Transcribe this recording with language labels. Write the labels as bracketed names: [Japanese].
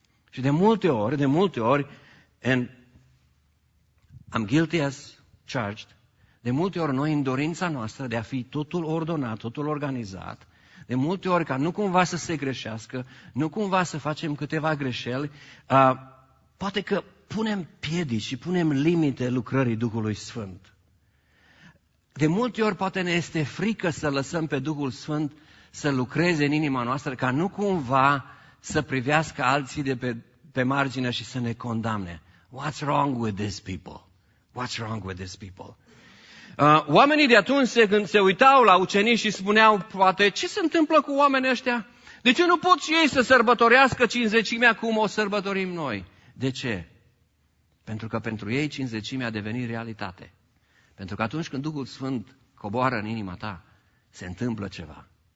[Romanian] Și de multe ori, [English] and I'm guilty as charged, [Romanian] de multe ori noi în dorința noastră de a fi totul ordonat, totul organizat, de multe ori, ca nu cumva să se greșească, nu cumva să facem câteva greșeli, poate că punem piedici și punem limite lucrării Duhului Sfânt. De multe ori poate ne este frică să lăsăm pe Duhul Sfânt să lucreze în inima noastră, ca nu cumva să privească alții de pe margine și să ne condamne. [English] What's wrong with these people? What's wrong with these people? [Romanian] Oamenii de atunci se uitau la ucenici și spuneau, poate, ce se întâmplă cu oamenii ăștia? De ce nu pot și ei să sărbătorească cincizecimea cum o sărbătorim noi? De ce? Pentru că pentru ei cincizecimea a devenit realitate. Pentru că atunci când Duhul Sfânt coboară în inima ta, se întâmplă ceva.